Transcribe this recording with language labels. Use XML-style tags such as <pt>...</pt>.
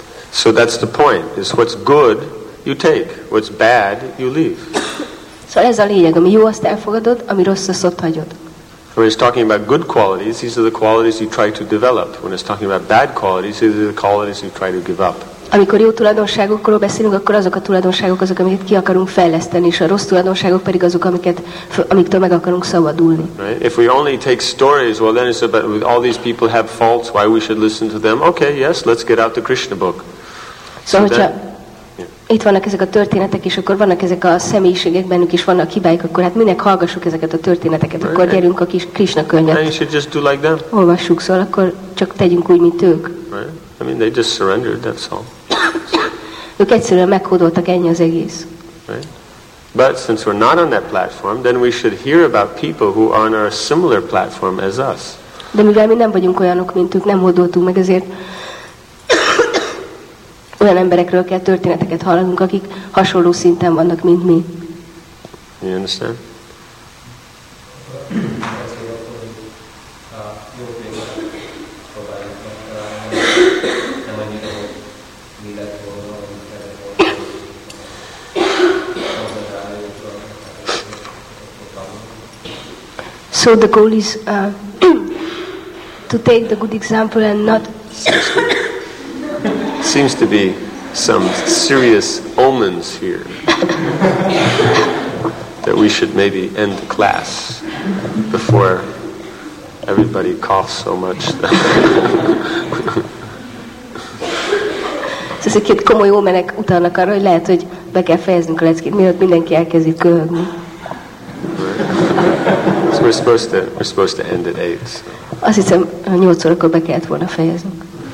<en>So that's the point, is what's good, you take. What's bad, you leave.</en> <hu>So ez a lényeg, ami jó, azt elfogadod, ami rossz, azt ott hagyod.</hu> <en>When he's talking about good qualities, these are the qualities you try to develop. When he's talking about bad qualities, these are the qualities you try to give up.</en> <hu>Amikor jó tulajdonságokról beszélünk, akkor azok a tulajdonságok azok, amiket ki akarunk fejleszteni, és a rossz tulajdonságok pedig azok, amiktől meg akarunk szabadulni.</hu> <en>Right? If we only take stories, well then it's about all these people have faults, why we should listen to them. Okay, yes, let's get out the Krishna book.</en> <hu>Szóval, hogyha itt vannak ezek a történetek, és akkor vannak ezek a személyiségek bennük, és vannak hibáik, akkor hát minek hallgassuk ezeket a történeteket,</hu> <en>right.</en> <hu>Akkor gyerünk a kis Krishna könyvet.</hu> <en>Then you should just do like them.</en> <hu>Olvassuk, szóval akkor csak tegyünk úgy, mint ők.</hu> <en>Right. I mean, they just surrendered, that's all.</en> <hu>Ők egyszerűen meghódoltak, ennyi az egész.</hu> <en>But since we're not on that platform, then we should hear about people who are on a similar platform as us.</en> <hu>De mivel mi nem vagyunk olyanok, mint ők, nem hódoltunk meg, ezért olyan emberekről kell történeteket hallanunk, akik hasonló szinten vannak, mint mi.</hu> <en>You understand? So the goal is to take the good example and not seems to be some serious omens here that we should maybe end the class before everybody coughs so much.</en> <hu>Ezek két komoly omenek utalnak arra, hogy lehet, hogy be kell fejeznünk a leckét, mielőtt mindenki elkezdik köhögni.</hu> <en>We're supposed to end at 8.</en> <hu>Azt hiszem, 8 órakor be kellett volna fejeznünk.</hu>